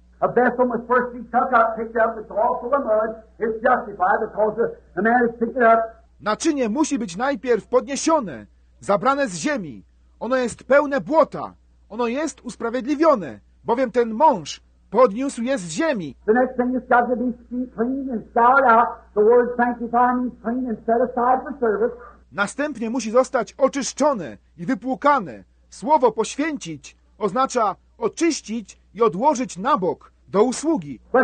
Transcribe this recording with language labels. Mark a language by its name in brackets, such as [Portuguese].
[English] A vessel must first be tucked up, picked up, it's all full of mud, it's justified because the man has picked it up. [Polish] Naczynie musi być najpierw podniesione, zabrane z ziemi. Ono jest pełne błota. Ono jest usprawiedliwione, bowiem ten mąż podniósł je z ziemi. [English] The next thing is got to be cleaned and scoured out. The word sanctified means clean and set aside for service. [Polish] Następnie musi zostać oczyszczone i wypłukane. Słowo poświęcić oznacza oczyścić i odłożyć na bok, do usługi.